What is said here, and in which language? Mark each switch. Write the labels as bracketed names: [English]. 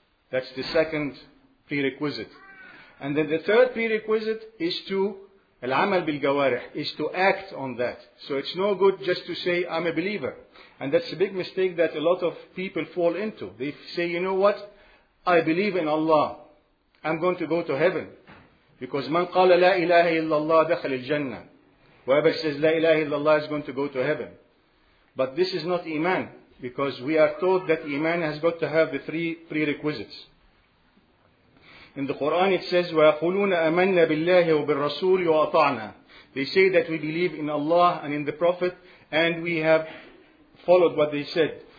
[English] That's the second prerequisite. And then the third prerequisite is to [Arabic] العمل بالجوارح, [English] is to act on that. So it's no good just to say, I'm a believer. And that's a big mistake that a lot of people fall into. They say, you know what? I believe in Allah. I'm going to go to heaven. Because [Arabic] من قال لا إله إلا الله دخل الجنة. [English] Whoever says [Arabic] لا إله إلا الله [English] is going to go to heaven. But this is not iman. Because we are taught that iman has got to have the three prerequisites. In the Quran it says, [Arabic] وَيَقُولُونَ أَمَنَّ بِاللَّهِ وَبِالرَّسُولِ وَأَطَعْنَا. [English] They say that we believe in Allah and in the Prophet, and we have followed what they said.